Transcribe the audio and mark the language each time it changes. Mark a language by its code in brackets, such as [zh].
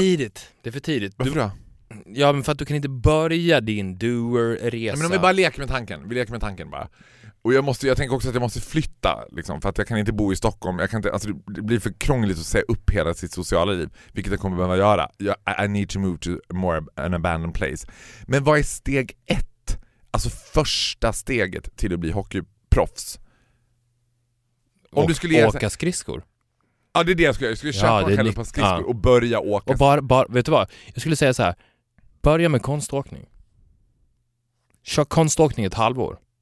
[sv] Det är för tidigt. Varför då? Ja, men för att du kan inte börja din doer-resa. Men om vi leker med tanken bara. Och jag tänker också att jag måste flytta liksom, för att jag kan inte bo i Stockholm. Jag kan inte, alltså det blir för krångligt att säga upp hela sitt sociala liv, vilket jag kommer behöva göra. [en] I need to move to more an abandoned place. [sv] Men vad är steg ett? Alltså första steget till att bli hockeyproffs. Om du skulle åka skridskor. Ja, det är det jag skulle köpa på skridskor och börja åka. Och vet du vad? Jag skulle säga så här, börja med konståkning. Kör konståkning ett halvår.